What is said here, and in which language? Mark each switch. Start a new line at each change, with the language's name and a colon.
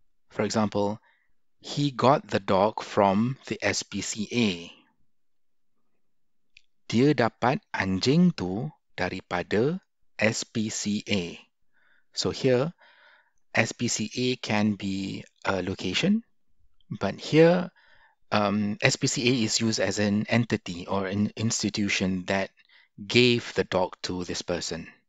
English: For example, he got the dog from the SPCA.
Malay: Dia dapat anjing tu daripada SPCA.
English: So here, SPCA can be a location, but here, SPCA is used as an entity or an institution that gave the dog to this person.